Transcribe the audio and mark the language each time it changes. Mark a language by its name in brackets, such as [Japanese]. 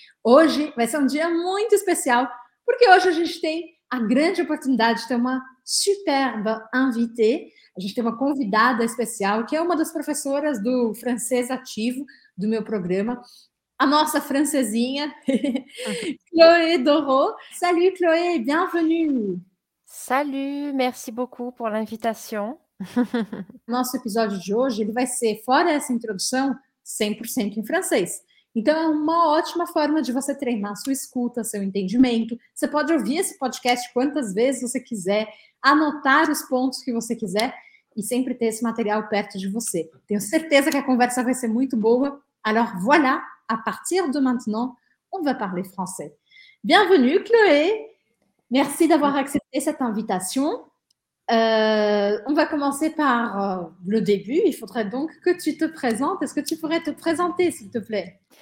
[Portuguese] Hoje vai ser um dia muito especial, porque hoje a gente tem a grande oportunidade de ter uma [French] superba invitée, [Portuguese] a gente tem uma convidada especial, que é uma das professoras do francês ativo do meu programa, a nossa francesinha, Chloé Doreau. [French] Salut Chloé, bienvenue. Salut, merci beaucoup pour l'invitation. [Portuguese] Nosso episódio de hoje, ele vai ser, fora essa introdução, 100% em francês. Então é uma ótima forma de você treinar sua escuta, seu entendimento. Você pode ouvir esse podcast quantas vezes você quiser, anotar os pontos que você quiser e sempre ter esse material perto de você. Tenho certeza que a conversa vai ser muito boa. [French] Alors voilà! À partir de maintenant, on va parler français. Bienvenue, Chloé. Merci d'avoir accepté cette invitation. On va commencer par le début. Il faudrait donc que tu te présentes. Est-ce que tu pourrais te présenter, s'il te plaît?